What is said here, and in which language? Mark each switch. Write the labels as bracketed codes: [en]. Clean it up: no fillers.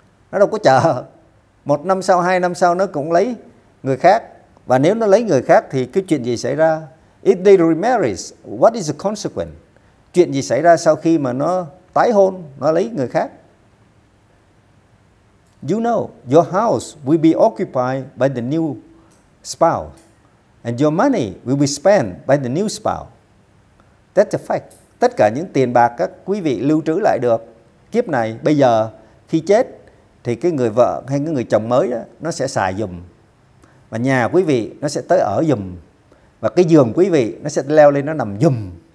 [vi] Nó đâu có chờ. 1 năm sau, 2 năm sau, nó cũng lấy người khác. Và nếu nó lấy người khác, thì cái chuyện gì xảy ra? [en] If they remarry, what is the consequence? [vi] Chuyện gì xảy ra sau khi mà nó tái hôn, nó lấy người khác? [en] You know, your house will be occupied by the new spouse. And your money will be spent by the new spouse. That's a fact. [vi] Tất cả những tiền bạc các quý vị lưu trữ lại được kiếp này, bây giờ khi chết thì cái người vợ hay cái người chồng mới đó, nó sẽ xài dùm. Và nhà quý vị nó sẽ tới ở dùm. Và cái giường quý vị nó sẽ leo lên nó nằm dùm.